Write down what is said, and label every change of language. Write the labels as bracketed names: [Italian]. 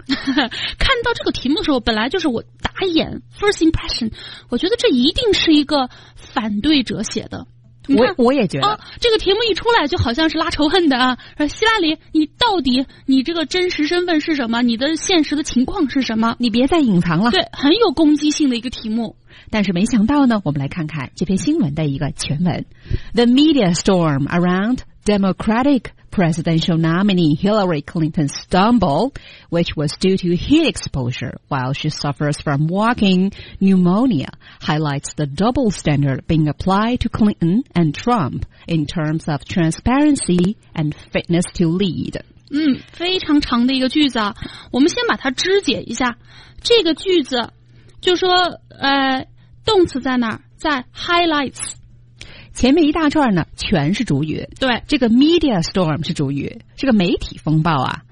[Chinese] 看到这个题目的时候，本来就是我打眼 first impression， 我觉得这一定是一个反对者写的。我也觉得这个题目一出来就好像是拉仇恨的啊！希拉里，你到底你这个真实身份是什么？你的现实的情况是什么？你别再隐藏了。对，很有攻击性的一个题目。但是没想到呢，我们来看看这篇新闻的一个全文 [English] ：The media storm around Democratic presidential nominee Hillary Clinton's stumble, which was due to heat exposure while she suffers from walking pneumonia, highlights the double standard being applied to Clinton and Trump in terms of transparency and fitness to lead. [Chinese] 非常长的一个句子啊，我们先把它肢解一下。这个句子就说动词在哪儿？在 highlights。前面一大串呢全是主语。对，这个 media storm 是主语，这个媒体风暴啊。